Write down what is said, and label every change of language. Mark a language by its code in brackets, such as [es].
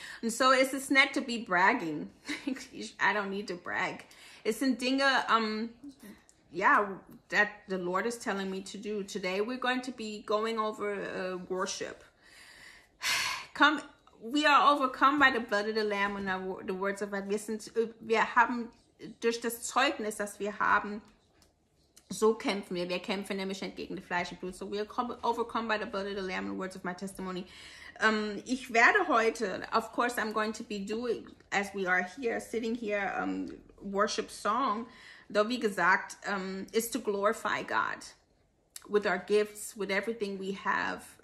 [en] And so it's just not to be bragging. I don't need to brag. [de] Es sind Dinge, [en] that the Lord is telling me to do. Today we're going to be going over worship. We are overcome by the blood of the Lamb and the words of God. [de] Wir haben durch das Zeugnis, das wir haben, so kämpfen wir. Wir kämpfen nämlich nicht gegen das Fleisch und Blut. [en] So, we're overcome by the blood of the Lamb and the words of my testimony. [de] Ich werde heute, [en] of course, I'm going to be doing, as we are here, sitting here, worship song. Though, [de] wie gesagt, [en] is to glorify God with our gifts, with everything we have.